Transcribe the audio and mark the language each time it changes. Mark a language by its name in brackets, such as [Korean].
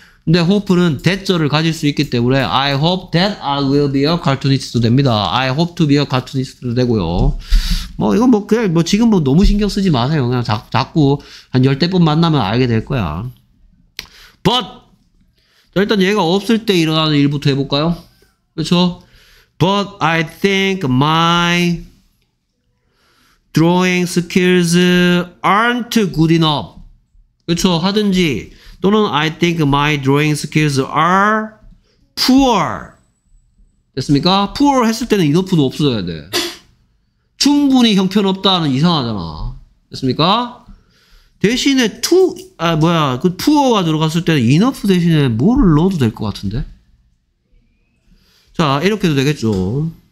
[Korean] 근데 hope는 대절을 가질 수 있기 때문에 [English] I hope that I will be a cartoonist [Korean] 도 됩니다. [English] I hope to be a cartoonist도 되고요. [Korean] 뭐 이건 뭐 그냥 뭐 지금 뭐 너무 신경 쓰지 마세요. 그냥 자꾸 한 10대 번 만나면 알게 될 거야. But 자 일단 얘가 없을 때 일어나는 일부터 해볼까요? 그렇죠? [English] But I think my drawing skills aren't good enough. [Korean] 그렇죠? 하든지 또는 [English] I think my drawing skills are poor. [Korean] 됐습니까? poor 했을 때는 enough도 없어져야 돼. 충분히 형편없다는 이상하잖아. 됐습니까? 대신에 to, 아, 뭐야, 그 poor가 들어갔을 때는 enough 대신에 뭐를 넣어도 될 것 같은데? 자, 이렇게 해도 되겠죠.